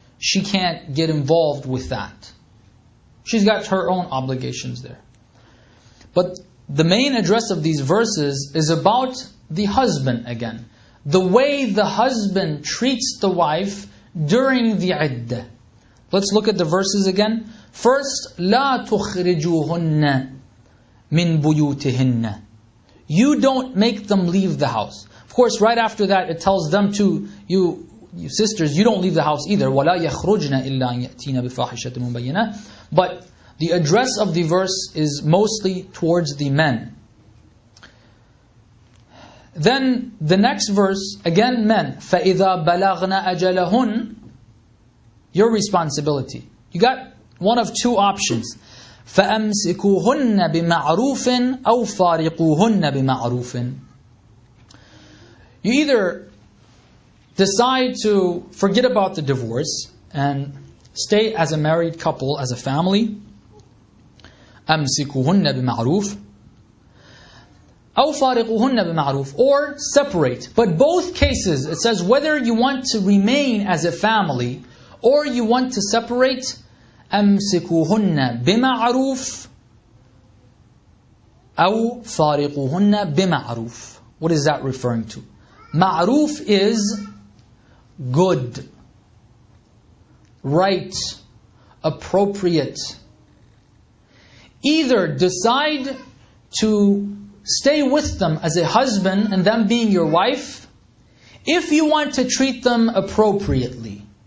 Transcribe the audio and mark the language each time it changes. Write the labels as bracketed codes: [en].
[en] She can't get involved with that. She's got her own obligations there. But the main address of these verses is about the husband again. The way the husband treats the wife during the iddah. Let's look at the verses again. First, [ar] لَا تُخْرِجُوهُنَّ مِن بُيُوتِهِنَّ. [en] You don't make them leave the house. Of course, right after that, it tells them to, you sisters, you don't leave the house either. [ar] وَلَا يَخْرُجْنَ إِلَّا أَن يَأْتِينَ بِفَاحِشَةٍ مُبَيِّنَةٍ. [en] But the address of the verse is mostly towards the men. Then the next verse, again men, [ar] فَإِذَا بَلَغْنَ أَجَلَهُنْ. [en] Your responsibility. You got one of two options. [ar] فَأَمْسِكُوهُنَّ بِمَعْرُوفٍ أَوْ فَارِقُوهُنَّ بِمَعْرُوفٍ. [en] You either decide to forget about the divorce and stay as a married couple, as a family. [ar] أَمْسِكُوهُنَّ بِمَعْرُوفٍ. أَوْ فَارِقُهُنَّ بِمَعْرُوفٍ. [en] Or separate. But both cases, it says whether you want to remain as a family or you want to separate, [ar] أمسكوهن بمعروف أو فارقوهن بمعروف. [en] What is that referring to? معروف is good, right, appropriate. Either decide to stay with them as a husband and them being your wife, if you want to treat them appropriately.